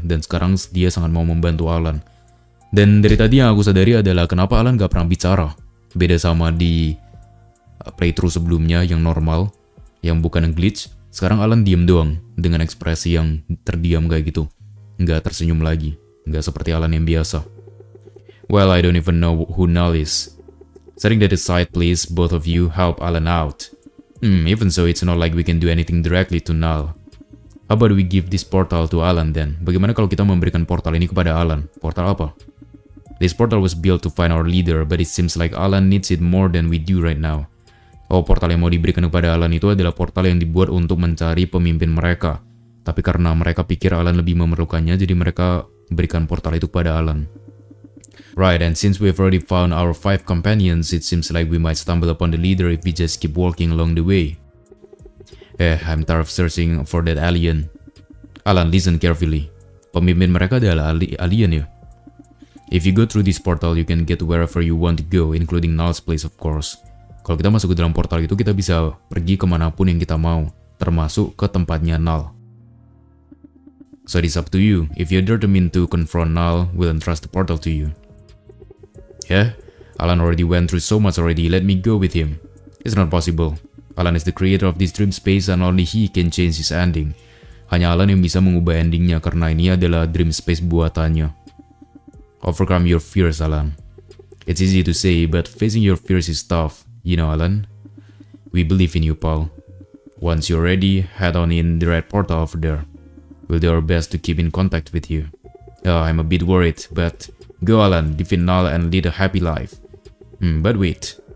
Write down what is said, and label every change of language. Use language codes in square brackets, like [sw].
[id] Dan sekarang dia sangat mau membantu Alan. Dan dari tadi yang aku sadari adalah kenapa Alan gak pernah bicara. Beda sama di playthrough sebelumnya yang normal. Yang bukan glitch. Sekarang Alan diem doang dengan ekspresi yang terdiam kayak gitu. Nggak tersenyum lagi. Nggak seperti Alan yang biasa. [en] Well, I don't even know who Null is. Setting that aside, please, both of you help Alan out. Even so, it's not like we can do anything directly to Null. How about we give this portal to Alan then? [id] Bagaimana kalau kita memberikan portal ini kepada Alan? Portal apa? [en] This portal was built to find our leader, but it seems like Alan needs it more than we do right now. [id] Oh, portal yang mau diberikan kepada Alan itu adalah portal yang dibuat untuk mencari pemimpin mereka. Tapi karena mereka pikir Alan lebih memerlukannya, jadi mereka berikan portal itu kepada Alan. [en] Right, and since we've already found our five companions, it seems like we might stumble upon the leader if we just keep walking along the way. I'm tired of searching for that alien. Alan, listen carefully. [id] Pemimpin mereka adalah alien ya? [en] If you go through this portal, you can get wherever you want to go, including Null's place, of course. [id] Kalau kita masuk ke dalam portal itu, kita bisa pergi kemanapun yang kita mau, termasuk ke tempatnya Null. [en] So it's up to you. If you're determined to confront Null, we'll entrust the portal to you. Yeah? Alan already went through so much already, let me go with him. It's not possible. Alan is the creator of this dream space and only he can change his ending. [id] Hanya Alan yang bisa mengubah endingnya karena ini adalah dream space buatannya. [en] Overcome your fears, Alan. It's easy to say, but facing your fears is tough. You know, Alan? We believe in you, pal. Once you're ready, head on in the red portal over there. We'll do our best to keep in contact with you. I'm a bit worried, but... Go, Alan. Defeat Null and lead a happy life. But wait.